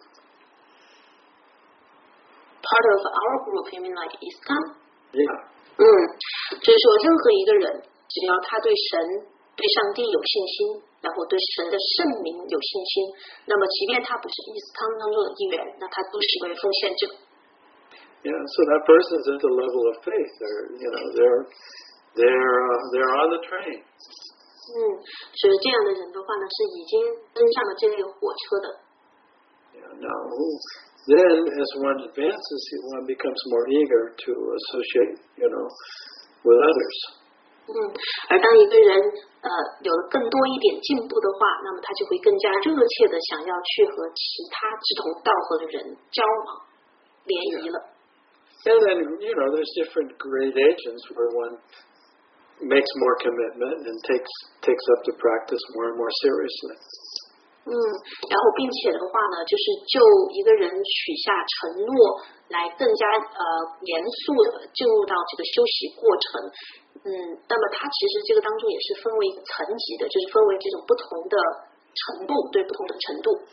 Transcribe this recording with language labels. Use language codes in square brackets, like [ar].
[en] Part of our group, you mean like ISKCON? Yeah. [zh] 就是说任何一个人，只要他对神对上帝有信心，然后对神的圣名有信心，那么即便他不是伊斯汤当中的一员，那他都是一位奉献者。 [en] Yeah, so that person is at the level of faith. They're, you know, they're on the train. [zh] 所以这样的人的话呢，是已经登上了这列火车的。 [en] Yeah, no. Then, as one advances, one becomes more eager to associate, you know, with others. [zh] 而当一个人有了更多一点进步的话，那么他就会更加热切的想要去和其他志同道合的人交往、联谊了。 [en] And then, you know, there's different gradations where one makes more commitment and takes up the practice more and more seriously. [zh] 然后并且的话呢，就是就一个人许下承诺来更加严肃的进入到这个修习过程。那么它其实这个当中也是分为一个层级的，就是分为这种不同的程度，对不同的程度。